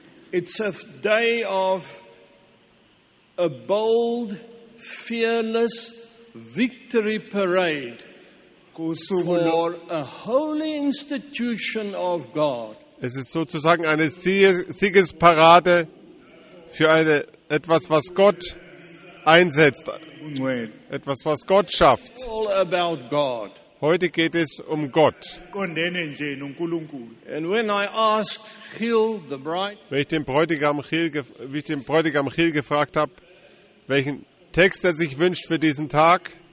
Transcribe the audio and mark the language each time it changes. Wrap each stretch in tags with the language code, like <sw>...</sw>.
<en>It's a day of a bold, fearless victory parade for a holy institution of God.</en> <de>Es ist sozusagen eine Siegesparade für etwas, was Gott einsetzt. Etwas, was Gott schafft.</de> <en>All about God.</en> <de>Heute geht es um Gott.</de> <en>And when I asked Gil, the bride,</en> <de>wie ich den Bräutigam Gil gefragt habe, welchen Text er sich wünscht für diesen Tag,</de>